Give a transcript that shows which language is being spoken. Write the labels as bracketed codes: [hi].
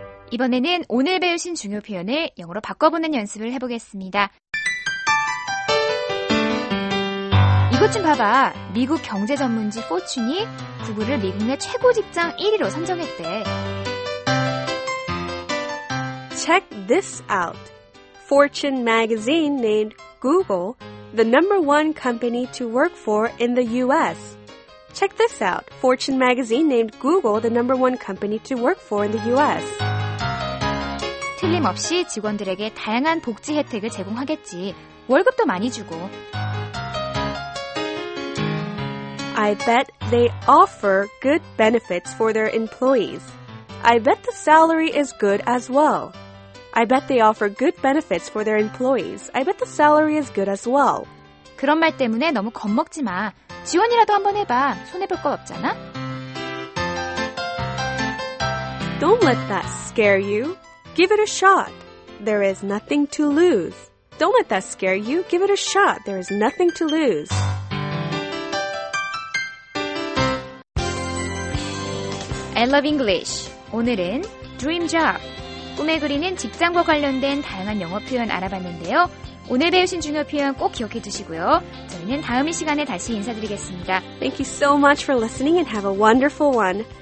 [ko] 이번에는 오늘 배우신 중요 표현을 영어로 바꿔보는 연습을 해보겠습니다. 이것 좀 봐봐. 미국 경제 전문지 포춘이 구글을 미국 내 최고 직장 1위로 선정했대. [en] Check this out. Fortune magazine named Google the number one company to work for in the U.S. Check this out. Fortune magazine named Google the number one company to work for in the U.S. [ko] 틀림없이 직원들에게 다양한 복지 혜택을 제공하겠지. 월급도 많이 주고. [en] I bet they offer good benefits for their employees. I bet the salary is good as well. I bet they offer good benefits for their employees. I bet the salary is good as well. [ko] 그런 말 때문에 너무 겁먹지 마. 지원이라도 한번 해봐. 손해볼 것 없잖아. [en] Don't let that scare you. Give it a shot. There is nothing to lose. Don't let that scare you. Give it a shot. There is nothing to lose. [ko] 엘러브 잉글리쉬. 오늘은 드림 잡. 꿈에 그리는 직장과 관련된 다양한 영어 표현 알아봤는데요. 오늘 배우신 중요 표현 꼭 기억해 두시고요. 저희는 다음 이 시간에 다시 인사드리겠습니다. [en] Thank you so much for listening and have a wonderful one.